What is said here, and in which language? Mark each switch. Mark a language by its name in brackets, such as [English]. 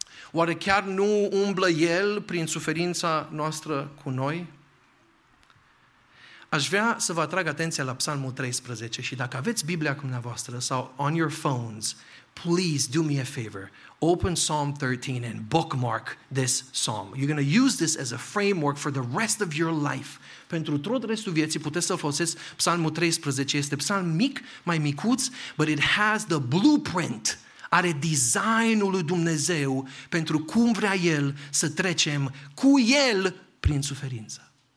[Romanian] Oare chiar nu umblă El prin suferința noastră cu noi? Aș vrea să vă atrag atenția la Psalmul 13 și dacă aveți Biblia cu dumneavoastră sau [English] on your phones, please do me a favor. Open Psalm 13 and bookmark this psalm. You're going to use this as a framework for the rest of your life. [Romanian] Pentru tot restul vieții puteți să folosiți Psalmul 13. Este psalm mic, mai micuț, [English] but it has the blueprint. [Romanian] Are designul lui Dumnezeu pentru cum vrea El să trecem cu El prin suferință.